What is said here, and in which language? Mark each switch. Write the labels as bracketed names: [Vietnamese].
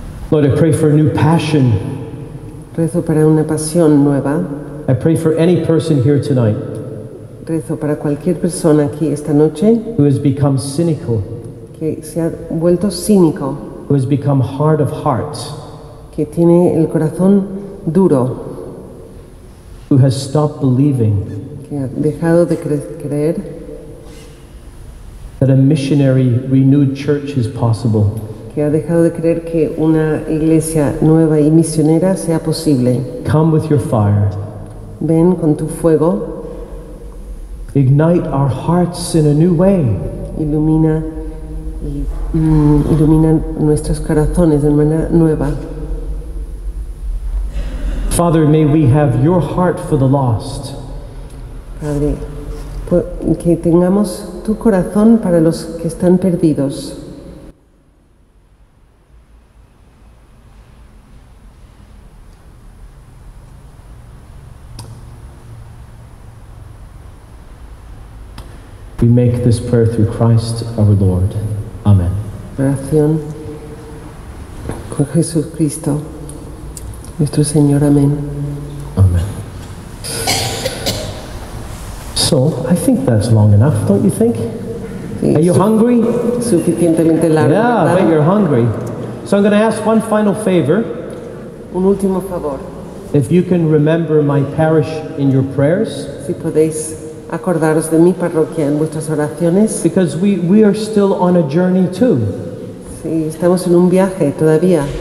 [English] Lord, I pray for a new passion. [Spanish] Rezo para una pasión nueva. [English] I pray for any person here tonight. [Spanish] Rezo para cualquier persona aquí esta noche. [English] Who has become cynical. [Spanish] Que se ha vuelto cínico. [English] Who has become hard of heart, [Spanish] que tiene el corazón duro, [English] who has stopped believing, [Spanish] que ha dejado de creer, [English] that a missionary renewed church is possible, [Spanish] que ha dejado de creer que una iglesia nueva y misionera sea posible. [English] Come with your fire. [Spanish] Ven con tu fuego. [English] Ignite our hearts in a new way. [Spanish] Ilumina y iluminan nuestros corazones de manera nueva. [English] Father, may we have your heart for the lost. [Spanish] Padre, que tengamos tu corazón para los que están perdidos. [English] We make this prayer through Christ our Lord. Amen. [Spanish] Oración con Jesucristo, nuestro Señor. Amén. Amén. [English] So, I think that's long enough, don't you think? [Spanish] Sí, [English] are you hungry? [Spanish] Suficientemente largo. [English] Yeah, [Spanish] ¿verdad? [English] But you're hungry. So I'm going to ask one final favor. [Spanish] Un último favor. [English] If you can remember my parish in your prayers. [Spanish] Si podéis acordaros de mi parroquia en vuestras oraciones. [English] Because we are still on a journey too. [Spanish] Sí, estamos en un viaje todavía.